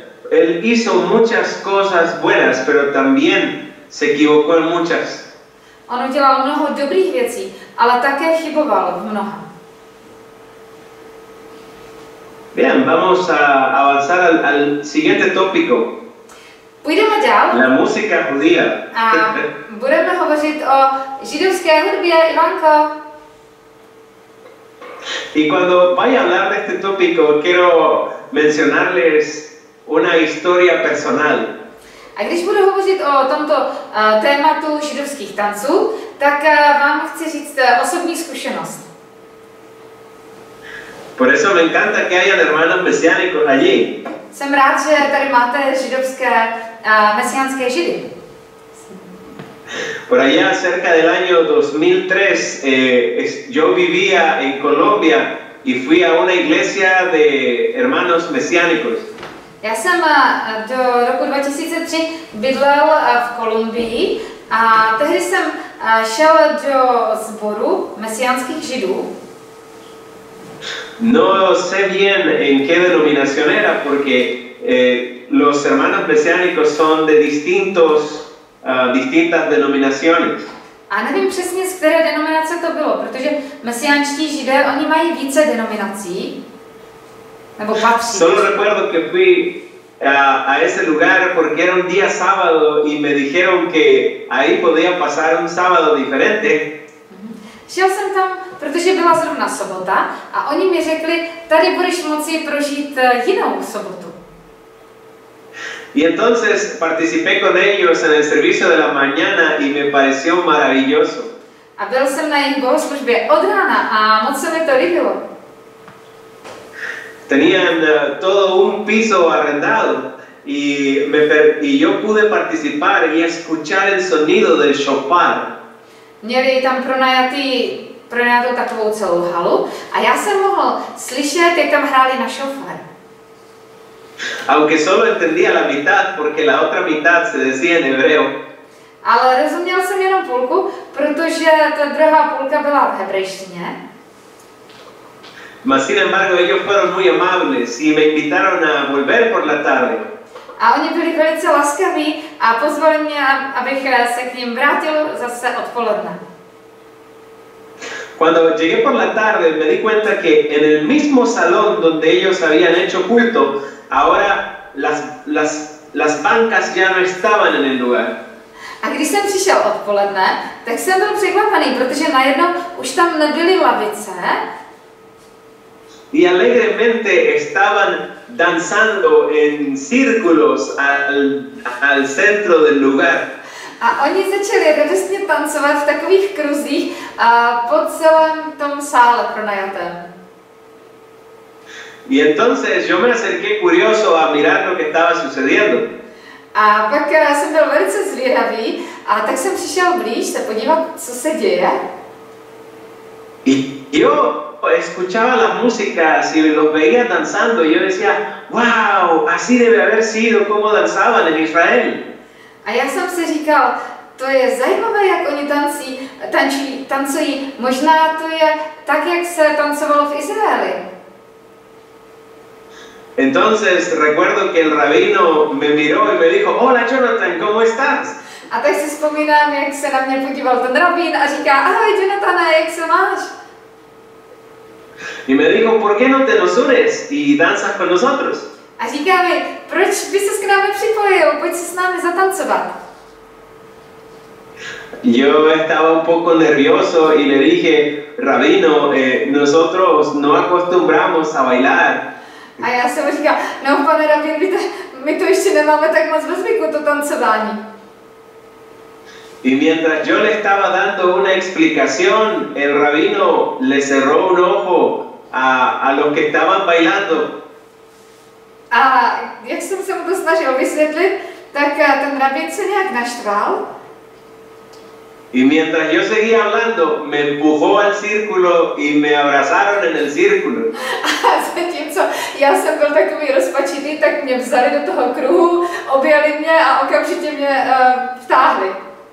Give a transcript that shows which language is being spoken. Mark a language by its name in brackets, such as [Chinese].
[Spanish] Él hizo muchas cosas buenas, pero también se equivocó en muchas. [Czech] On udělal mnoho dobrých věcí, ale také chyboval v mnoha. [Spanish] Bien, vamos a avanzar al siguiente tópico. [Czech] Půjdeme dál. [Spanish] La música judía. [Czech] A budeme hovořit o židovské hudbě, Ivanko. [Spanish] Y cuando vaya a hablar de este tópico, quiero mencionarles una historia personal. [Czech] A když budu hovořit o tomto tématu židovských tanců, tak vám chci říct osobní zkušenost. [Spanish] Por eso me encanta que hayan hermanos mesiánicos allí. [Czech] Jsem rád, že tady máte židovské mesiánské židy. [Spanish] Por allá cerca del año 2003 yo vivía en Colombia y fui a una iglesia de hermanos mesiánicos. [Czech] Já jsem do roku 2003 bydlel v Kolumbii a tehdy jsem šel do sboru mesiánských židů. [Spanish] No sé bien en qué denominación era, porque los hermanos mesiánicos son de distintas denominaciones. [Czech] A nevím přesně, z které denominace to bylo, protože mesiánští židé, oni mají více denominací, nebo patří. [Spanish] Solo recuerdo que fui a ese lugar porque era un día sábado y me dijeron que ahí podía pasar un sábado diferente. [Czech] Šel jsem tam, protože byla zrovna sobota a oni mi řekli, tady budeš moci prožít jinou sobotu. [Spanish] Y entonces participé con ellos en el servicio de la mañana y me pareció maravilloso. [Czech] A byl jsem na jejich bohoslužbě od rána a moc se mi to líbilo. [Spanish] Tenían todo un piso arrendado y yo pude participar y escuchar el sonido del shofar. [Czech] Měli tam pronajatou takovou celou halu a já jsem mohl slyšet, jak tam hráli na šofar. [Spanish] Aunque solo entendía la mitad, porque la otra mitad se decía en hebreo. [Czech] Ale rozuměl jsem jenom půlku, protože ta druhá půlka byla v hebrejštině. [Spanish] Mas sin embargo, ellos fueron muy amables y me invitaron a volver por la tarde. [Czech] a oni byli velice laskaví a pozvali mě, abych se k ním vrátil zase odpoledne. [Spanish] Cuando llegué por la tarde, me di cuenta que en el mismo salón donde ellos habían hecho culto, ahora las bancas ya no estaban en el lugar. [Czech] A když jsem přišel odpoledne, tak jsem byl překvapený, protože najednou už tam nebyly lavice. [Spanish] Y alegremente estaban danzando en círculos al centro del lugar. [Czech] A oni začali radostně tancovat v takových kruzích po celém tom sále pronajatém. [Spanish] Y entonces yo me acerqué curioso a mirar lo que estaba sucediendo. [Czech] A pak jsem byl velice zvědavý, a tak jsem přišel blíž se podívat, co se děje. [Spanish] Y yo escuchaba las músicas y los veía danzando y yo decía, wow, así debe haber sido como danzaban en Israel. [Czech] A já jsem si říkal, to je zajímavé, jak oni tancují, možná to je tak, jak se tancovalo v Izraeli. [Spanish] Entonces recuerdo que el rabino me miró y me dijo, hola Jonathan, ¿cómo estás? [Czech] A tak si vzpomínám, jak se na mě podíval ten rabín a říká, ahoj Jonathan, jak se máš? [Spanish] Y me dijo, ¿por qué no te nos unes y danzas con nosotros? [Czech] A říká mi, proč by ses k nám připojil, pojď se s námi zatancovat. [Spanish] Yo estaba un poco nervioso y le dije, rabino, nosotros no acostumbramos a bailar. [Czech] A já jsem říkal, no pane rabín, my to ještě nemáme tak moc ve zvyku, to tancování. [Spanish] Y mientras yo le estaba dando una explicación, el rabino le cerró un ojo a los que estaban bailando. [Czech] A jak jsem se mu to snažil vysvětlit, tak ten rabín se nějak naštval. [Spanish] Y mientras yo seguía hablando, me empujó al círculo y me abrazaron en el círculo. [Czech] A zatímco já jsem byl takový rozpačitý, tak mě vzali do toho kruhu, objali mě a okamžitě mě vtáhli.